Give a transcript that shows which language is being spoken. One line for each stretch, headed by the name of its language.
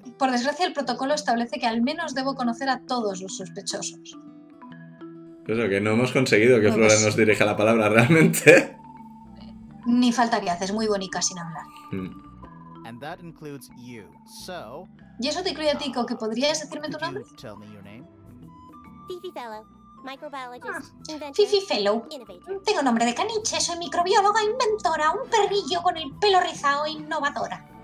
Spanish: Por desgracia, el protocolo establece que al menos debo conocer a todos los sospechosos. Eso, que no hemos conseguido que Flora nos dirija la palabra realmente. Ni falta que haces, muy bonita sin hablar.
English: And that includes you.
Spanish: So, y eso te incluye a ti, ¿que podrías decirme tu nombre?
English: Fifi Fellow, microbiologist. Fifi Fellow.
Spanish: Tengo nombre de caniche, soy microbióloga inventora, un perrillo con el pelo rizado e innovadora.